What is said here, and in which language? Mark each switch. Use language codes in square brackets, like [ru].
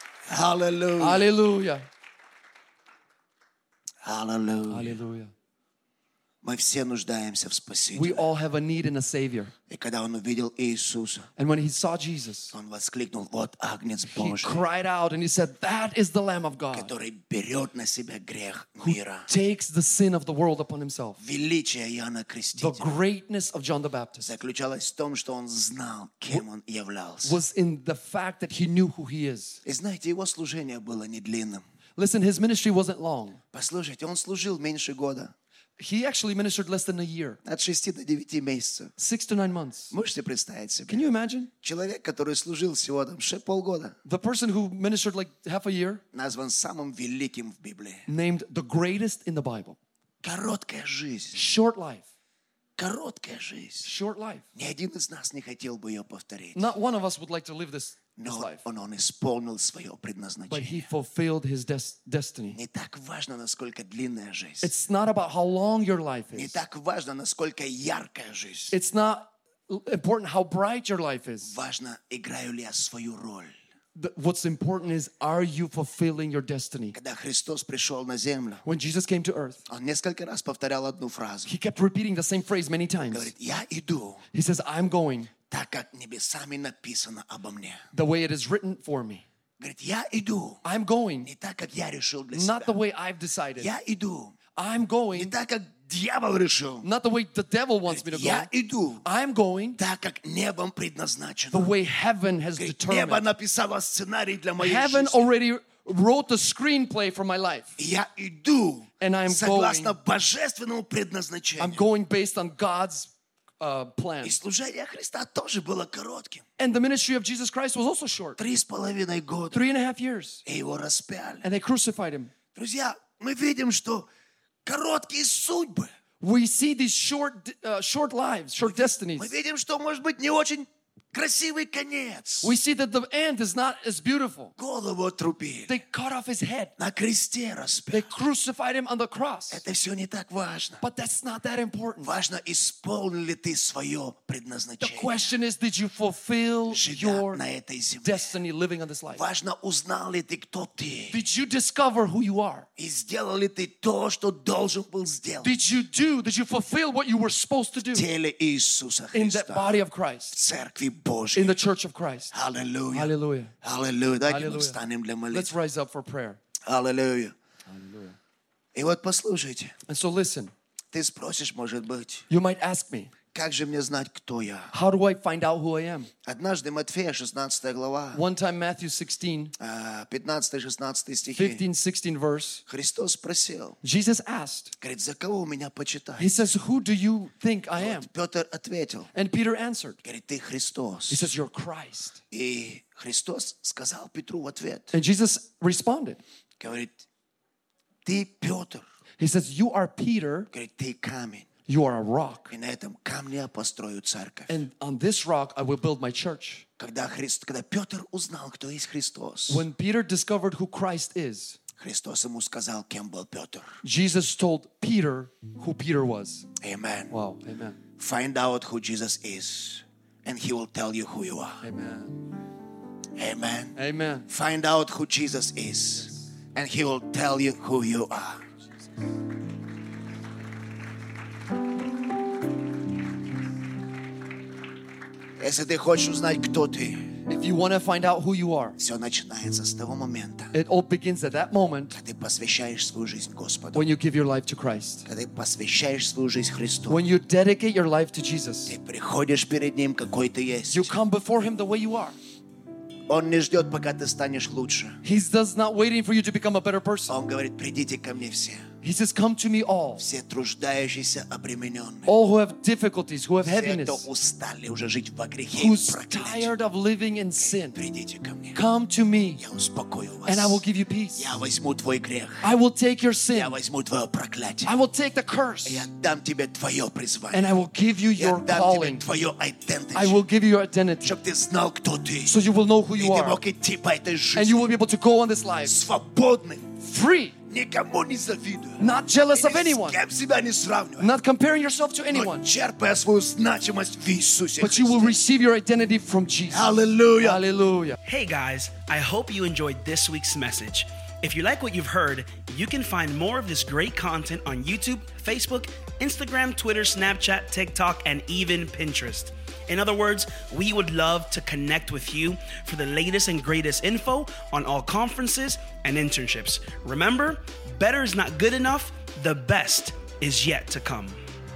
[en] Hallelujah. Hallelujah. Hallelujah. Hallelujah. [ru] Мы все нуждаемся в Спасителе. [en] We all have a need in a Savior. [ru] И когда он увидел Иисуса, [en] and when he saw Jesus, [ru] он воскликнул, вот Агнец Божий. [en] He cried out and he said, that is the Lamb of God. [ru] Который берет на себя грех мира. [en] Who takes the sin of the world upon himself. [ru] Величие Иоанна Крестителя. [en] The greatness of John the Baptist. [ru] Заключалось в том, что он знал, кем он являлся. [en] Was in the fact that he knew who he is. [ru] И знаете, его служение было не длинным. [en] Listen, his ministry wasn't long. [ru] Послушайте, он служил меньше года. [en] He actually ministered less than a year. [ru] От 6 до 9 месяцев. [en] 6 to 9 months. [ru] Можете представить себе? [en] Can you imagine? [ru] Человек, который служил всего там 6 полгода. [en] The person who ministered like half a year. [ru] Назван самым великим в Библии. [en] Named the greatest in the Bible. [ru] Короткая жизнь. [en] Short life. [ru] Короткая жизнь. [en] Short life. [ru] Ни один из нас не хотел бы ее повторить. [en] Not one of us would like to live this. [ru] Но он исполнил свое предназначение. [en] But he fulfilled his destiny. [ru] Не так важно, насколько длинная жизнь. [en] It's not about how long your life is. [ru] Не так важно, насколько яркая жизнь. [en] It's not important how bright your life is. [ru] Важно, играю ли я свою роль. [en] What's important is, are you fulfilling your destiny? [ru] Когда Христос пришел на землю, [en] when Jesus came to earth, [ru] он несколько раз повторял одну фразу. [en] He kept repeating the same phrase many times. [ru] Говорит, я иду. [en] He says, I'm going. [ru] Так как небесами написано обо мне. [en] The way it is written for me. [ru] Говорит, я иду. [en] I'm going. [ru] Не так, как я решил для себя. [en] Not the way I've decided. [ru] Я иду. [en] I'm going. [ru] Не так, как дьявол решил. [en] Not the way the devil wants [ru] говорит, [en] me to go. [ru] Я иду. [en] I'm going. [ru] Так, как небом предназначено. [en] The way heaven has [ru] говорит, [en] determined. [ru] Небо написало сценарий для моей [en] heaven [ru] жизни. [en] Already wrote the screenplay for my life. [ru] Я иду. [en] And I'm [ru] согласно [en] going. [ru] Божественному предназначению. [en] I'm going based on God's plan. [ru] И служение Христа тоже было коротким. [en] And the ministry of Jesus Christ was also short. [ru] 3.5 года. [en] 3.5 years. [ru] И его распяли. [en] And they crucified him. [ru] Друзья, мы видим, что короткие судьбы. [en] We see these short, short lives, short destinies. [ru] Мы видим, что может быть не очень красивый конец. [en] We see that the end is not as beautiful. [ru] Голову отрубили. [en] They cut off his head. [ru] На кресте распяли. [en] They crucified him on the cross. [ru] Это все не так важно. [en] But that's not that important. [ru] Важно, исполнил ли ты свое предназначение. [en] The question is, did you fulfill your [ru] на этой земле? [en] Destiny living on this life? [ru] Важно, узнал ли ты, кто ты? [en] Did you discover who you are? [ru] И сделал ли ты то, что должен был сделать? [en] Did you fulfill what you were supposed to do? [ru] В теле Иисуса Христа. [en] In that body of Christ. [ru] В церкви Божьей. [en] In the church of Christ. Hallelujah. Hallelujah. [ru] Hallelujah. Давайте Hallelujah. Встанем для молитвы. [en] Let's rise up for prayer. Hallelujah. Hallelujah. [ru] И вот послушайте. [en] And so listen. [ru] Ты спросишь, может быть. [en] You might ask me. [ru] Как же мне знать, кто я? [en] How do I find out who I am? [ru] Однажды Матфея, 16 глава. [en] One time Matthew 16. [ru] 15-16 стихи. [en] 15-16 verse. [ru] Христос спросил. [en] Jesus asked. [ru] Говорит, за кого меня почитать? [en] He says, who do you think I am? [ru] Петр ответил. [en] And Peter answered. [ru] Говорит, ты Христос. [en] He says, you're Christ. [ru] И Христос сказал Петру в ответ. [en] And Jesus responded. [ru] Говорит, ты Петр. [en] He says, you are Peter. [ru] Говорит, ты камень. [en] You are a rock. [ru] И на этом камне я построю церковь. [en] And on this rock I will build my church. [ru] Когда Петр узнал, кто есть Христос. [en] When Peter discovered who Christ is. [ru] Христос ему сказал, кем был Петр. [en] Jesus told Peter who Peter was. Amen. Wow, amen. Find out who Jesus is and he will tell you who you are. Amen. Amen. Amen. Find out who Jesus is and he will tell you who you are. [ru] Если ты хочешь узнать, кто ты, [en] if you want to find out who you are, [ru] все начинается с того момента, [en] it all begins at that moment, [ru] когда ты посвящаешь свою жизнь Господу, [en] when you give your life to Christ, [ru] когда ты посвящаешь свою жизнь Христу, [en] when you dedicate your life to Jesus, [ru] ты приходишь перед Ним, какой ты есть, [en] you come before Him the way you are. [ru] Он не ждет, пока ты станешь лучше. [en] He does not waiting for you to become a better person. [ru] Он говорит, придите ко мне все. [en] He says, come to me all. [ru] Все труждающиеся, обремененные. [en] All who have difficulties, who have heaviness. [ru] Все, кто устали уже жить во грехе. [en] Who's tired of living in sin. [ru] Придите ко мне. [en] Come to me. [ru] Я успокою вас. [en] And I will give you peace. [ru] Я возьму твой грех. [en] I will take your sin. [ru] Я возьму твое проклятие. [en] I will take the curse. [ru] Я дам тебе твое призвание. [en] And I will give you your calling. [ru] Я дам тебе твое identity. [en] I will give you your identity. [ru] Чтоб ты знал, кто ты. [en] So you will know who you are. [ru] И ты мог идти по этой жизни. [en] And you will be able to go on this life. [ru] Свободный. [en] Free. [ru] Никому не завидую. [en] Not jealous of anyone. [ru] С кем себя не сравниваю. [en] Not comparing yourself to anyone. [ru] Но черпая свою значимость в Иисусе Христе. [en] But you will receive your identity from Jesus. Hallelujah. Hallelujah. Hey guys, I hope you enjoyed this week's message. If you like what you've heard, you can find more of this great content on YouTube, Facebook, Instagram, Twitter, Snapchat, TikTok, and even Pinterest. In other words, we would love to connect with you for the latest and greatest info on all conferences and internships. Remember, better is not good enough, the best is yet to come.